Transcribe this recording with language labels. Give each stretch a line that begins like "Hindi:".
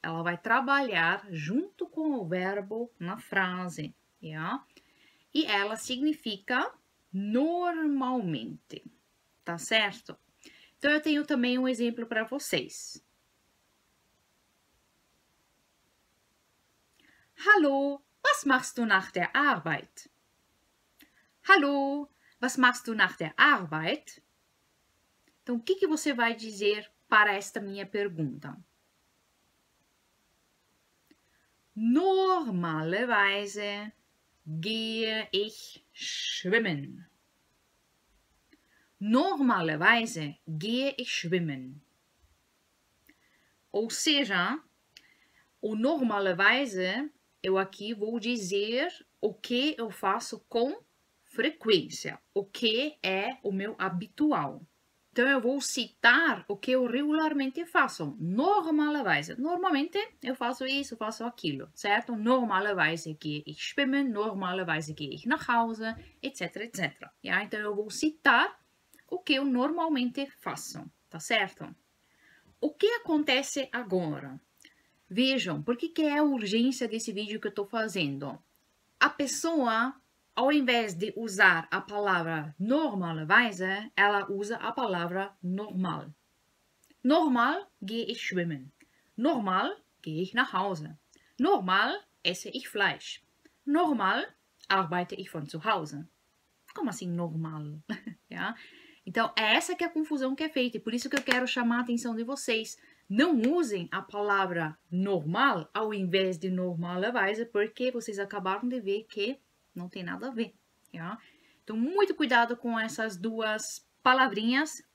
Portuguese: Ela vai trabalhar junto com o verbo na frase, yeah? E ela significa normalmente, tá certo? Então eu tenho também um exemplo para vocês.
German: Hallo, was machst du nach der Arbeit? Hallo, was machst du nach der Arbeit?
Portuguese: Então, o que que você vai dizer para esta minha pergunta?
German: Normalerweise gehe ich schwimmen. Normalerweise gehe ich schwimmen.
Portuguese: Ou seja, o normalerweise, eu aqui vou dizer o que eu faço com frequência, o que é o meu habitual. Então, eu vou citar o que eu regularmente faço. Normalerweise. Normalmente eu faço isso, faço aquilo, certo?
German: Normalerweise gehe ich schwimmen, normalerweise gehe ich nach Hause, etc, etc. Yeah?
Portuguese: Então, eu vou citar o que eu normalmente faço, tá certo? O que acontece agora? Vejam, por que que é a urgência desse vídeo que eu estou fazendo? A pessoa, ao invés de usar a palavra normalerweise, ela usa a palavra normal.
German: Normal gehe ich schwimmen. Normal gehe ich nach Hause. Normal esse ich Fleisch. Normal arbeite ich von zu Hause.
Portuguese: Como assim normal? Ja? Então, é essa que é a confusão que é feita. E por isso que eu quero chamar a atenção de vocês. Não usem a palavra normal ao invés de normalerweise, porque vocês acabaram de ver que não tem nada a ver. Ja? Então, muito cuidado com essas duas palavrinhas.